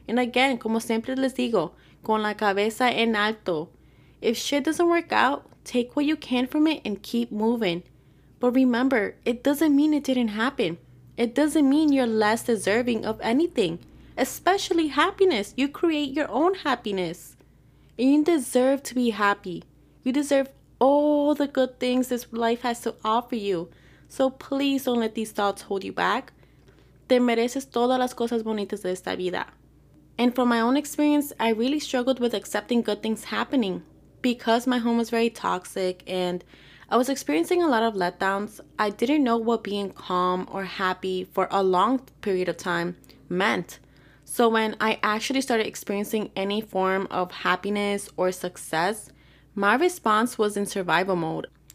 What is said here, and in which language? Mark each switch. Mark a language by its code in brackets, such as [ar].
[en] And again, [es] como siempre les digo, con la cabeza en alto. [en] If shit doesn't work out, take what you can from it and keep moving. But remember, it doesn't mean it didn't happen. It doesn't mean you're less deserving of anything, especially happiness. You create your own happiness. And you deserve to be happy. You deserve all the good things this life has to offer you. So please don't let these thoughts hold you back. [es] Te mereces todas las cosas bonitas de esta vida. [en] And from my own experience, I really struggled with accepting good things happening. Because my home was very toxic and I was experiencing a lot of letdowns, I didn't know what being calm or happy for a long period of time meant. So when I actually started experiencing any form of happiness or success, my response was in survival mode.